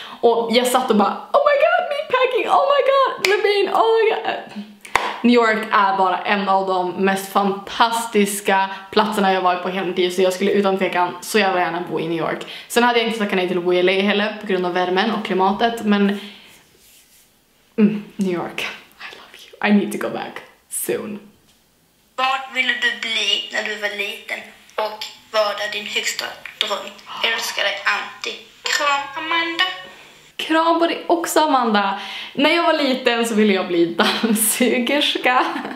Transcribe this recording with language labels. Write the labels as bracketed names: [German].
[Swedish] Och jag satt och bara, [English] oh my god, meat packing, oh my god, Levine, oh my god. [Swedish] New York är bara en av de mest fantastiska platserna jag varit på hela mitt liv. Så jag skulle utan tvekan så jävla gärna bo i New York. Sen hade jag inte sagt nej till att bo i LA heller på grund av värmen och klimatet. [English] Men New York, I love you, I need to go back soon. [Swedish] Vad ville du bli när du var liten? Och vad är din högsta dröm? Jag älskar dig, Antti. Kram, Amanda. Kram på dig också, Amanda. När jag var liten så ville jag bli dammsugerska.